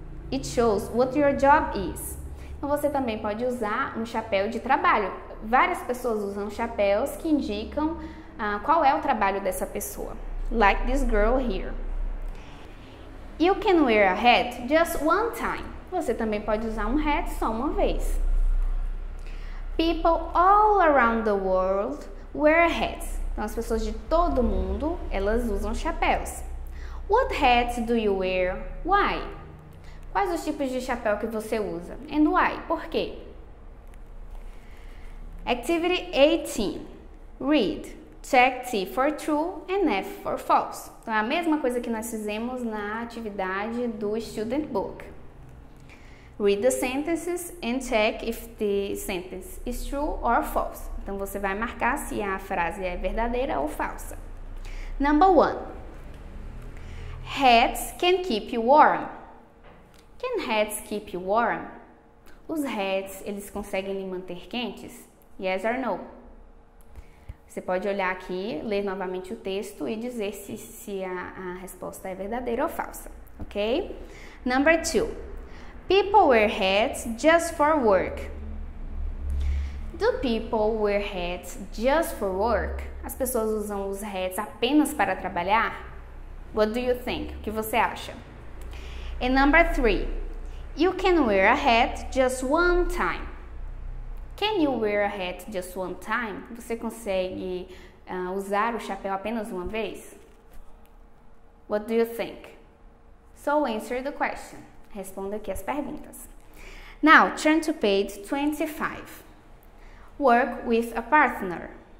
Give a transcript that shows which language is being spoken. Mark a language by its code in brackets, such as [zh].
[en] It shows what your job is. [pt] Então, você também pode usar um chapéu de trabalho. Várias pessoas usam chapéus que indicam qual é o trabalho dessa pessoa. [en] Like this girl here. You can wear a hat just one time. [pt] Você também pode usar um hat só uma vez. [en] People all around the world wear hats. [pt] Então, as pessoas de todo mundo, elas usam chapéus. [en] What hats do you wear? Why? [pt] Quais os tipos de chapéu que você usa? [en] And why? [pt] Por quê? [en] Activity 18. Read. Check T for true and F for false. [pt] Então, é a mesma coisa que nós fizemos na atividade do student book. [en] Read the sentences and check if the sentence is true or false. [pt] Então, você vai marcar se a frase é verdadeira ou falsa. [en] Number one. Hats can keep you warm. Can hats keep you warm? [pt] Os hats, eles conseguem lhe manter quentes? [en] Yes or no? [pt] Você pode olhar aqui, ler novamente o texto e dizer se a resposta é verdadeira ou falsa. [en] Ok? Number two. People wear hats just for work. Do people wear hats just for work? [pt] As pessoas usam os hats apenas para trabalhar? [en] What do you think? [pt] O que você acha? [en] And number three. You can wear a hat just one time. Can you wear a hat just one time? [pt] Você consegue usar o chapéu apenas uma vez? [en] What do you think? So answer the question. [pt] Responda aqui as perguntas. [en] Now, turn to page 25. Work with a partner.